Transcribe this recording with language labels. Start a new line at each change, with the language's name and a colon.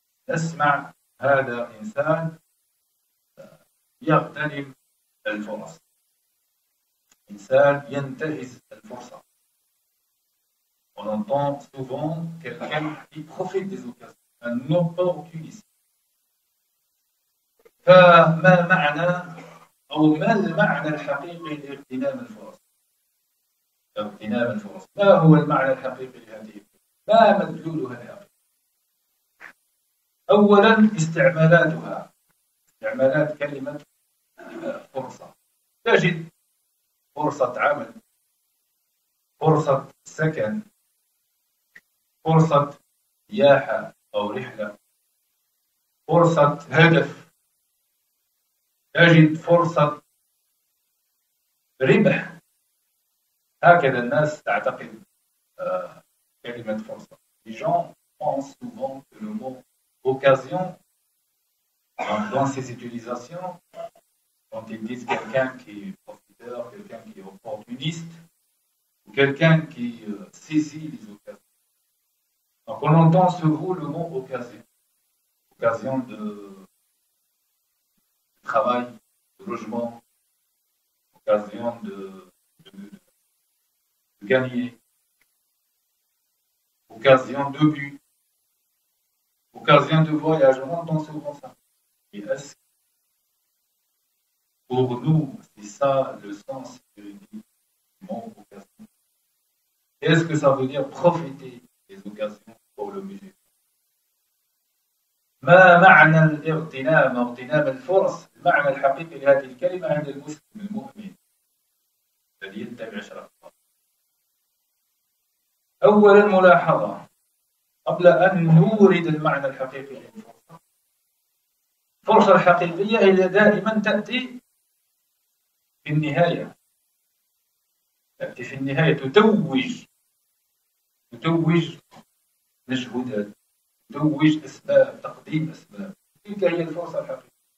Arabic: نسمع هذا إنسان يغتنم الفرص، إنسان ينتهز الفرصة.
French: On entend souvent quelqu'un qui profite des occasions, un opportuniste.
Arabic: فما معنى أو ما المعنى الحقيقي لاغتنام الفرص؟ اغتنام الفرص، ما هو المعنى الحقيقي لهذه؟ ما مدلولها الحقيقي؟ أولا استعمالاتها، استعمالات كلمة فرصة. تجد فرصة عمل، فرصة سكن، فرصة سياحة أو رحلة، فرصة هدف، تجد فرصة ربح. هكذا الناس تعتقد كلمة فرصة.
French: Les gens pensent souvent que le mot occasion dans ses utilisations, quand ils disent quelqu'un qui est profiteur, quelqu'un qui est opportuniste, ou quelqu'un qui saisit les occasions. Donc on entend souvent le mot occasion. Occasion de travail, de logement, occasion de gagner, occasion de but, occasion de voyage. On entend souvent ça. Et est-ce que pour nous, c'est ça le sens du mot occasion? Est-ce que ça veut dire profiter des occasions pour le musée?
Arabic: ما معنى الاغتنام؟ اغتنام الفرص، المعنى الحقيقي لهذه الكلمة عند المسلم المؤمن الذي يتبع شرع الله. أول ملاحظة قبل أن نورد المعنى الحقيقي للفرصة، الفرصة الحقيقية هي دائما تأتي في النهاية، تأتي في النهاية، تتوج مجهودات، توج أسباب، تقديم أسباب، تلك هي الفرصة الحقيقية.